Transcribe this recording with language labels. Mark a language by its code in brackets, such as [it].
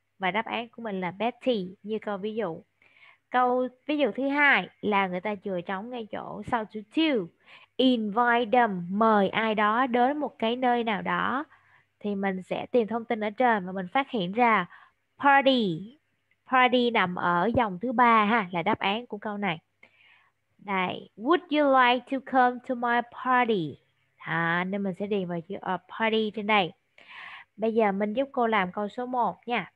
[vi] Và đáp án của mình là Betty như câu ví dụ. Câu ví dụ thứ hai là người ta chừa trống ngay chỗ sau chữ to. [en] Invite them, [vi] mời ai đó đến một cái nơi nào đó. Thì mình sẽ tìm thông tin ở trên và mình phát hiện ra party. Party nằm ở dòng thứ ba ha, là đáp án của câu này. [en] Đây, would you like to come to my party? [vi] À, nên mình sẽ điền vào chữ party trên đây. Bây giờ mình giúp cô làm câu số 1 nha.